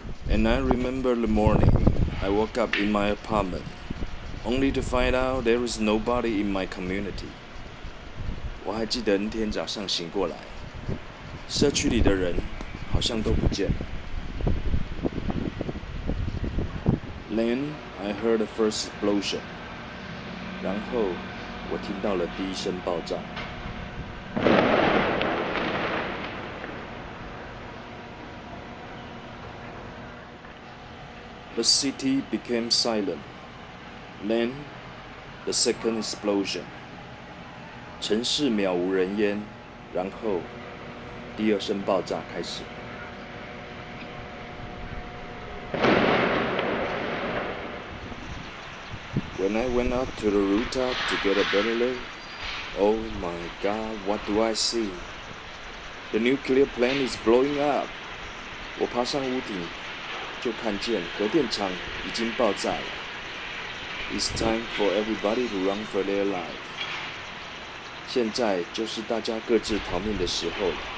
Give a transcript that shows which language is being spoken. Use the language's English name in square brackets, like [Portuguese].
[English] And I remember the morning I woke up in my apartment, only to find out there is nobody in my community. [Chinese] 我还记得那天早上醒过来，社区里的人好像都不见了。 [English] Then I heard the first explosion. [Chinese] 然后我听到了第一声爆炸。 [English] The city became silent. Then, the second explosion. [Chinese] 城市渺无人烟，然后第二声爆炸开始。 [English] When I went up to the rooftop to get a better look, oh my God, what do I see? The nuclear plant is blowing up. [Chinese] 我爬上屋顶。就看见核电厂已经爆炸了。 [English] It's time for everybody to run for their life. [Chinese] 现在就是大家各自逃命的时候了。